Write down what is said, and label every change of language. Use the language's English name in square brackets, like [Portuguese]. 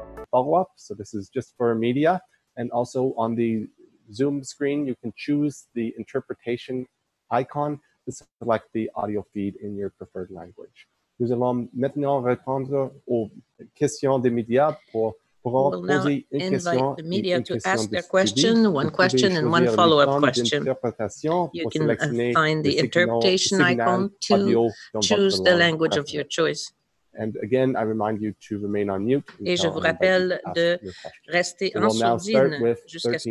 [English] follow-up. So this is just for media. And also on the Zoom screen, you can choose the interpretation icon to select the audio feed in your preferred language. [French] Nous allons maintenant répondre aux questions des médias pour [English] We will now invite the media to ask their question, one question and one follow-up question. You can find the interpretation icon to choose the language of your choice. And again, I remind you to remain on mute. [French] Et je vous rappelle de rester en sourdine jusqu'à ce que...